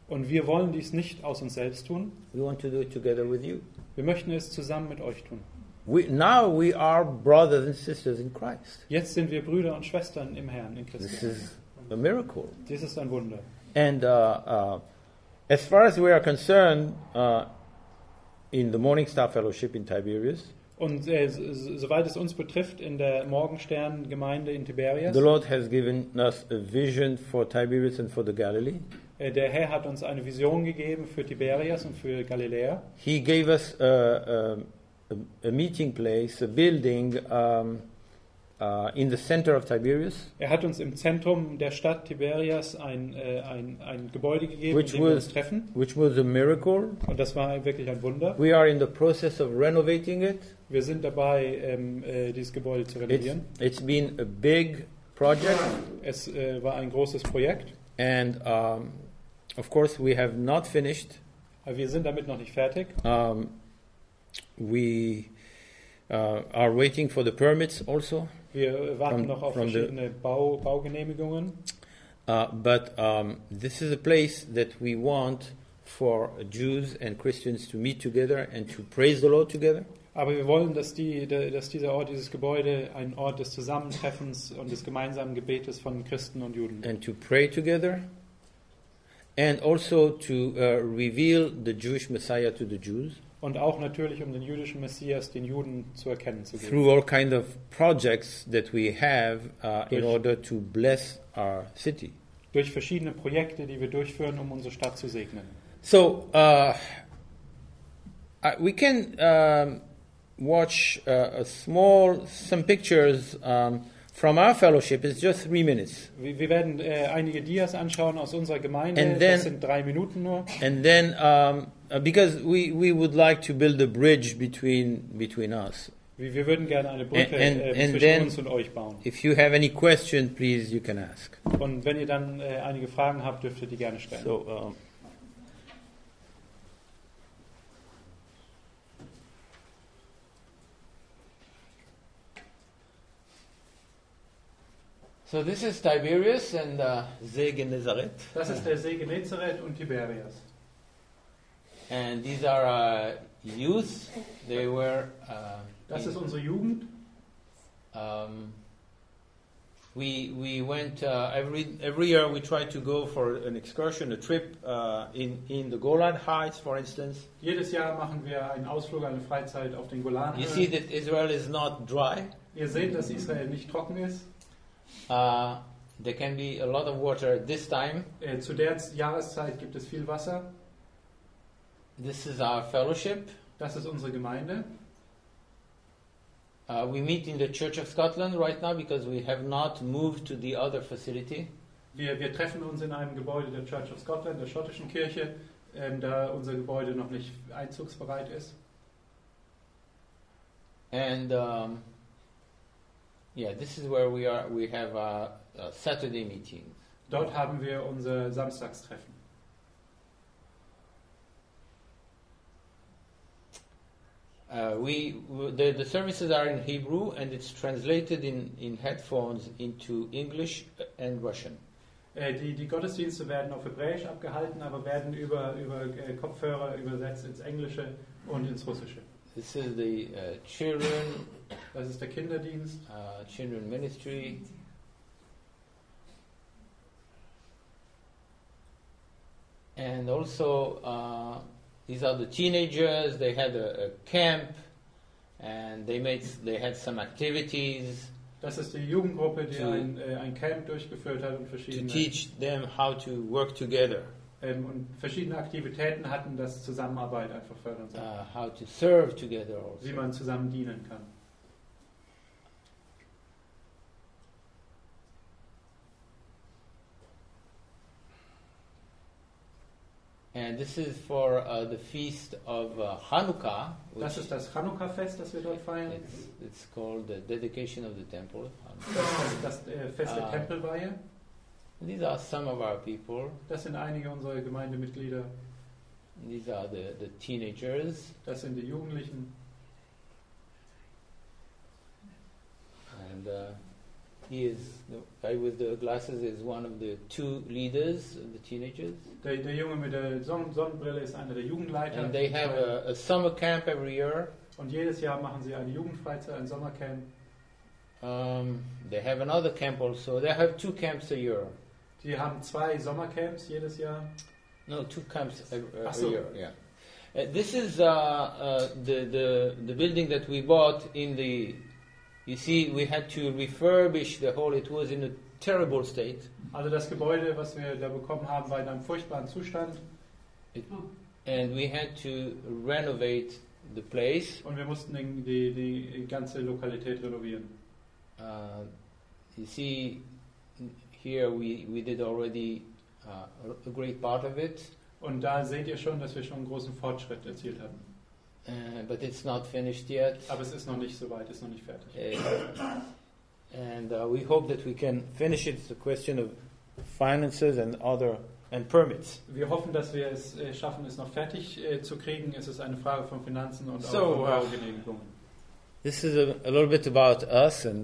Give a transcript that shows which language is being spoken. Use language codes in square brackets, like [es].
[de] Und wir wollen dies nicht aus uns selbst tun. [en] We want to do it together with you. [de] Wir möchten es zusammen mit euch tun. [en] Now we are brothers and sisters in Christ. [de] Jetzt sind wir Brüder und Schwestern im Herrn, in Christus. [en] This is a miracle. [de] Dies ist ein Wunder. [en] And as far as we are concerned, in the Morning Star Fellowship in Tiberias, [de] und soweit es uns betrifft in der Morgenstern-Gemeinde in Tiberias, [en] the Lord has given us a vision for Tiberias and for the Galilee. [de] Der Herr hat uns eine Vision gegeben für Tiberias und für Galiläa. [en] He gave us a meeting place, a building in the center of Tiberias. [de] Er hat uns im Zentrum der Stadt Tiberias ein Gebäude gegeben, in dem wir uns treffen. [en] Which was a miracle. [de] Und das war wirklich ein Wunder. [en] We are in the process of renovating it. [de] Wir sind dabei, dieses Gebäude zu renovieren. [en] It's been a big project. [de] Es war ein großes Projekt. [en] And of course we have not finished. [de] Aber wir sind damit noch nicht fertig. [en] We are waiting for the permits also. [de] Wir warten noch auf verschiedene Baugenehmigungen. [en] But this is a place that we want for Jews and Christians to meet together and to praise the Lord together. [de] Aber wir wollen, dass dieser Ort, dieses Gebäude, ein Ort des Zusammentreffens und des gemeinsamen Gebetes von Christen und Juden. [en] And to pray together. And also to reveal the Jewish Messiah to the Jews. [de] Und auch natürlich, um den jüdischen Messias, den Juden, zu erkennen zu geben. [en] Through all kind of projects that we have in order to bless our city. [de] Durch verschiedene Projekte, die wir durchführen, um unsere Stadt zu segnen. [en] So, we can watch some pictures from our fellowship. It's just 3 minutes. [de] Wir werden einige Dias anschauen aus unserer Gemeinde. Das sind 3 Minuten nur. [en] And then... because we would like to build a bridge between us. [de] Wir würden gerne eine Brücke zwischen uns und euch bauen. [en] If you have any question, please you can ask. [de] Und wenn ihr dann einige Fragen habt, dürft ihr die gerne stellen. [en] So, so this is Tiberias and See Genezareth. [de] Das ist der See Genezareth und Tiberias. [en] And these are youth. They were. [de] Das ist unsere Jugend. [en] We went every year. We try to go for an excursion, a trip in the Golan Heights, for instance. [de] Jedes Jahr machen wir einen Ausflug, eine Freizeit auf den Golan. [en] You see that Israel is not dry. [de] Ihr seht, dass Israel nicht trocken ist. [en] There can be a lot of water this time. [de] Zu der Jahreszeit gibt es viel Wasser. [en] This is our fellowship. [de] Das ist unsere Gemeinde. [en] We meet in the Church of Scotland right now because we have not moved to the other facility. [de] Wir treffen uns in einem Gebäude der Church of Scotland, der schottischen Kirche, da unser Gebäude noch nicht einzugsbereit ist. [en] And this is where we are. We have a Saturday meeting. [de] Dort haben wir unser Samstagstreffen. [en] The services are in Hebrew and it's translated in headphones into English and Russian. [de] Die Gottesdienste werden auf Hebräisch abgehalten, aber werden über Kopfhörer übersetzt ins Englische und ins Russische. [en] This is the children. [de] Das ist der Kinderdienst. [en] Children ministry. And also. These are the teenagers. They had a camp, and they had some activities. [de] Das ist die Jugendgruppe, die ein Camp durchgeführt hat und verschiedene. [en] To teach them how to work together. [de] Und verschiedene Aktivitäten hatten, das Zusammenarbeit einfach fördern soll. [en] How to serve together also. [de] Wie man zusammen dienen kann. [en] And this is for the feast of Hanukkah. [de] Das ist das Hanukkah-Fest, das wir dort feiern. [en] It's called the dedication of the temple. [de] Das Fest der Tempelweihe. [en] These are some of our people. [de] Das sind einige unserer Gemeindemitglieder. [en] These are the teenagers. [de] Das sind die Jugendlichen. [en] And he is the guy with the glasses is one of the two leaders of the teenagers. [de] Der Junge mit der Sonnenbrille ist einer der Jugendleiter. [en] And they have a summer camp every year. [de] Und jedes Jahr machen sie eine Jugendfreizeit, ein Sommercamp. [en] They have another camp also. They have two camps a year. [de] Die haben zwei Sommercamps jedes Jahr. [en] No, two camps a year. Yeah. This is the building that we bought in the. You see, we had to refurbish the whole. It was in a terrible state. [de] Also das Gebäude, was wir da bekommen haben, war in einem furchtbaren Zustand. [en] And we had to renovate the place. [de] Und wir mussten die ganze Lokalität renovieren. [en] You see, here we did already a great part of it. [de] Und da seht ihr schon, dass wir schon einen großen Fortschritt erzielt haben. [en] But it's not finished yet. [de] Aber es ist noch nicht so weit, es ist noch nicht fertig. [en] And we hope that we can finish it. It's a question of finances and other and permits. [de] Wir hoffen, dass wir es schaffen, es noch fertig zu kriegen. Es ist eine Frage von Finanzen und Baugenehmigungen. [en] This is a little bit about us and